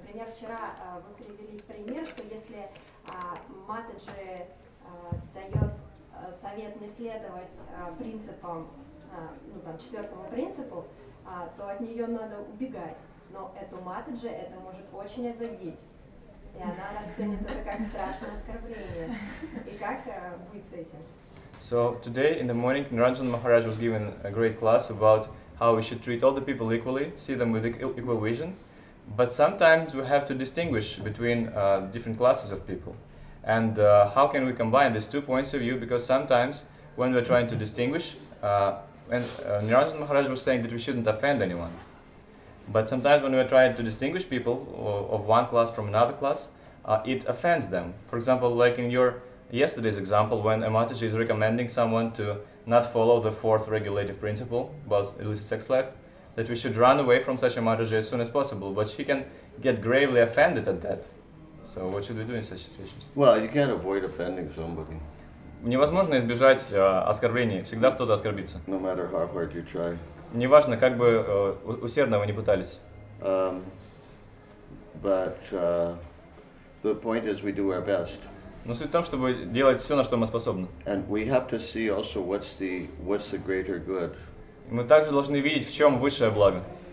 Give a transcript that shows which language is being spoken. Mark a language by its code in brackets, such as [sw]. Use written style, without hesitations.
[ru] Например, вчера вы привели пример, что если Матаджи дает совет не следовать принципам, ну там, четвертому принципу, то от нее надо убегать. Но эту Матаджи это может очень задеть. И она расценит это как страшное оскорбление. И как быть с этим? [en] So today in the morning Niranjan Maharaj was given a great class about how we should treat all the people equally, see them with equal vision. But sometimes we have to distinguish between different classes of people. And how can we combine these two points of view? Because sometimes when we're trying to distinguish, Niranjan Maharaj was saying that we shouldn't offend anyone. But sometimes when we're trying to distinguish people of one class from another class, it offends them. For example, like in your yesterday's example, when a Mataji is recommending someone to not follow the fourth regulative principle about illicit sex life, that we should run away from such a Mataji as soon as possible. But she can get gravely offended at that. So what should we do in such situations? Well, you can't avoid offending somebody. [ru] Невозможно избежать оскорблений. Всегда кто-то оскорбится. [en] No matter how hard you try. [ru] Неважно, как бы усердно вы не пытались. [en] The point is we do our best. [ru] Но суть в том, чтобы делать все, на что мы способны. [en] And we have to see also what's the greater good. [ru] Мы также должны видеть, в чем высшее благо.